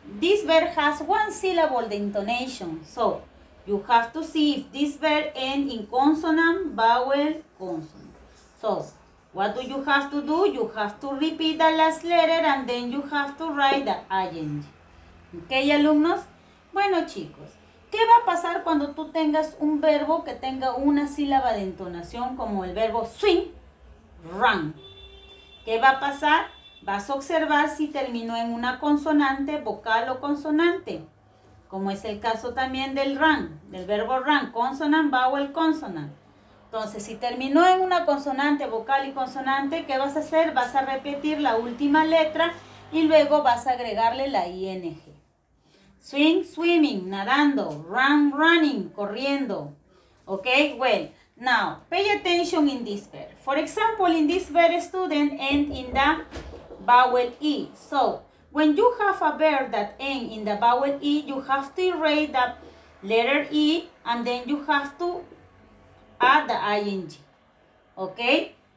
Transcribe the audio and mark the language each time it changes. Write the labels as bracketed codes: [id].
[en] This verb has one syllable the intonation. So, you have to see if this verb ends in consonant, vowel, consonant. So, what do you have to do? You have to repeat the last letter and then you have to write the ing. Okay, alumnos? [es] Bueno, chicos, ¿qué va a pasar cuando tú tengas un verbo que tenga una sílaba de entonación como el verbo swim, run? ¿Qué va a pasar? Vas a observar si terminó en una consonante, vocal o consonante, como es el caso también del run, del verbo run, [en] consonant, vowel, consonant. [es] Entonces, si terminó en una consonante, vocal y consonante, ¿qué vas a hacer? Vas a repetir la última letra y luego vas a agregarle la ing. [en] Swim, swimming, nadando. Run, running, corriendo. Okay, well, now, pay attention in this verb. For example, in this verb, student end in the vowel E. So, when you have a verb that end in the vowel E, you have to erase the letter E, and then you have to add the ing. Okay?